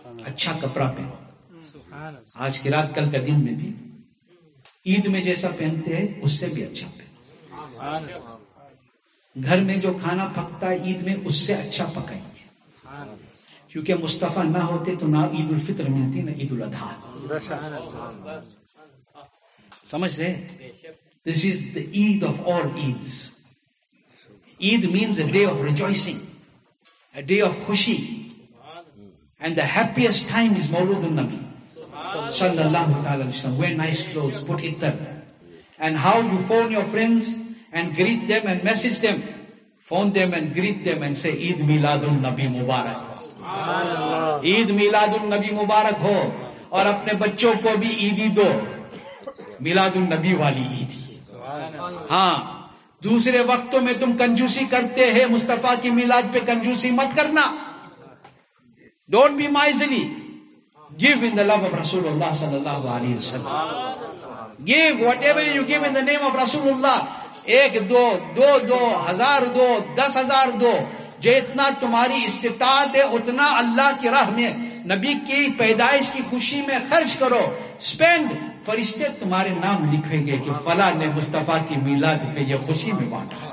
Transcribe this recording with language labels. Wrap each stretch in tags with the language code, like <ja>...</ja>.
<ur>اچھا کپڑا پہنو, آج کی رات کل کے دن میں بھی عید میں جیسا پہنتے ہیں اس سے بھی اچھا پہنو. گھر میں جو کھانا پکتا ہے عید میں اس سے اچھا پکائیں گے, کیونکہ مصطفیٰ نہ ہوتے تو نہ عید الفطر ملتی نہ عید الاضحیٰ. سمجھ رہے,</ur> <en>This is the Eid of all Eids. Eid means a day of rejoicing, a day of خوشی, and the happiest time is مولود النبی صلی اللہ تعالی علیہ وسلم. Wear nice clothes, put it there, and how you phone your friends and greet them and message them, phone them and greet them and say Eid Milad un-Nabi Mubarak.</en> <ur>عید میلاد النبی مبارک ہو, اور اپنے بچوں کو بھی عیدی دو, میلاد النبی والی عید. ہاں, دوسرے وقتوں میں تم کنجوسی کرتے ہیں, مصطفیٰ کی میلاد پہ کنجوسی مت کرنا.</ur> <en>Don't be miserly, give in the love of Rasul Allah صلی اللہ علیہ وسلم. Give whatever you give in the name of Rasul Allah.</en> <ur>ایک دو, دو دو, ہزار دو, دس ہزار دو, جتنا تمہاری استطاعت ہے اتنا اللہ کی راہ میں نبی کی پیدائش کی خوشی میں خرچ کرو, اسپینڈ. فرشتے تمہارے نام لکھیں گے کہ فلاں نے مصطفیٰ کی میلاد پہ یہ خوشی میں بانٹا.</ur>